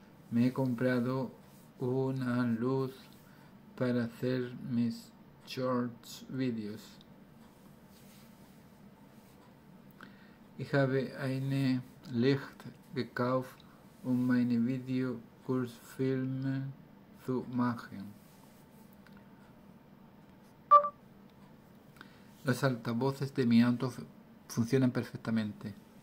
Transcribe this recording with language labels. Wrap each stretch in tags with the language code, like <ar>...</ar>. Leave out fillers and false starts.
<es>Me he comprado una luz para hacer mis shorts videos.</es> <de>Ich habe eine Licht gekauft, um meine Videokursfilme zu machen.</de> <es>Los altavoces de mi auto funcionan perfectamente.</es>